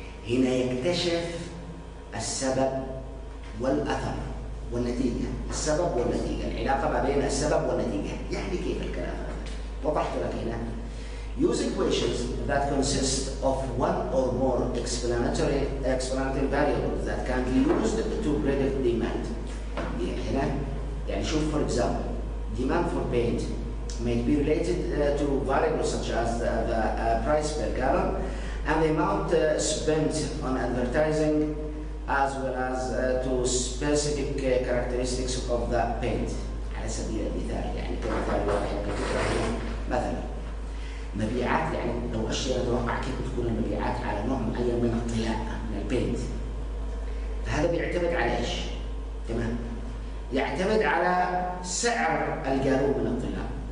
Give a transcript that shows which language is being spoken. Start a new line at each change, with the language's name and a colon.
Arabic: هنا يكتشف السبب والاثر والنتيجه السبب والنتيجه العلاقه ما بين السبب والنتيجه يعني كيف الكلام وضحت لك هنا.
English: Use equations that consist of one or more explanatory variables that can be used to predict demand.
Arabic: هنا يعني شوف
English: for example demand for paint may be related to variables such as the price per gallon and the amount spent on advertising as well as to specific characteristics of the paint.
Arabic: على سبيل المثال يعني كمثال واحد كفكرة مثلا مبيعات يعني لو اشياء اتوقع كيف تكون المبيعات على نوع معين من الطلاء من البينت. فهذا بيعتمد على ايش؟ تمام؟ يعتمد على سعر الجالون من الطلاء.